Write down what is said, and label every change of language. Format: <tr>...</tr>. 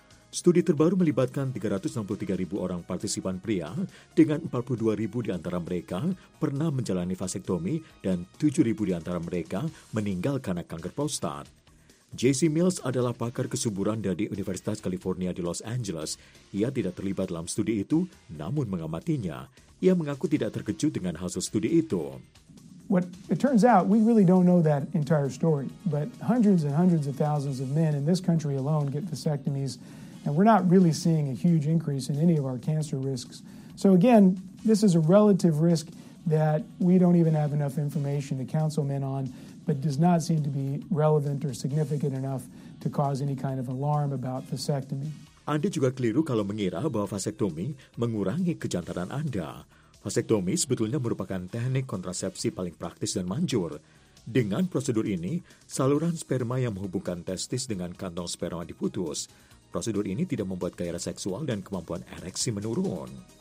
<id>Studi terbaru melibatkan 363.000 orang partisipan pria, dengan 42.000 di antara mereka pernah menjalani vasektomi dan 7.000 di antara mereka meninggal karena kanker prostat. J.C. Mills adalah pakar kesuburan dari Universitas California di Los Angeles. Ia tidak terlibat dalam studi itu, namun mengamatinya. Ia mengaku tidak terkejut dengan hasil studi itu.</id> <en>What it turns out, we really don't know that entire story. But hundreds and hundreds of thousands of men in this country alone get vasectomies, and we're not really seeing a huge increase in any of our cancer risks. So again, this is a relative risk that we don't even have enough information to counsel men on, but does not seem to be relevant or significant enough to cause any kind of alarm about vasectomy.</en> <id>Anda juga keliru kalau mengira bahwa vasektomi mengurangi kejantanan Anda. Vasektomi sebetulnya merupakan teknik kontrasepsi paling praktis dan manjur. Dengan prosedur ini, saluran sperma yang menghubungkan testis dengan kantong sperma diputus. Prosedur ini tidak membuat gairah seksual dan kemampuan ereksi menurun.</id>